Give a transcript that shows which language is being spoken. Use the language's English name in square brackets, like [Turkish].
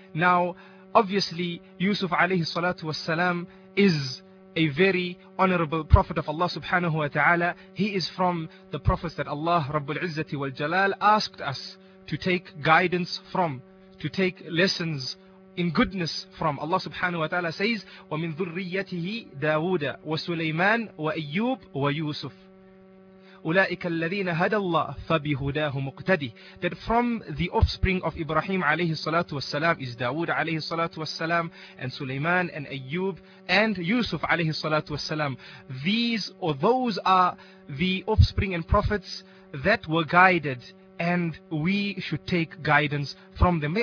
[English] Now, obviously, Yusuf alayhi salatu wa salam is a very honorable prophet of Allah subhanahu wa ta'ala. He is from the prophets that Allah Rabbul Izzati wal Jalal asked us to take guidance from, to take lessons in goodness from. Allah subhanahu wa ta'ala says, [Arabic] وَمِن ذُرِّيَّتِهِ دَاوُودَ وَسُلَيْمَانَ وَأَيُّوبَ وَيُوسُفَ أُولَٰئِكَ الَّذِينَ هَدَى اللَّهُ فَبِهُدَاهُ مُقْتَدِي. [English] That from the offspring of Ibrahim alayhi salatu was salam is Dawood alayhi salatu was salam, and Sulaiman and Ayyub and Yusuf alayhi salatu was salam. These or those are the offspring and prophets that were guided, and we should take guidance from them.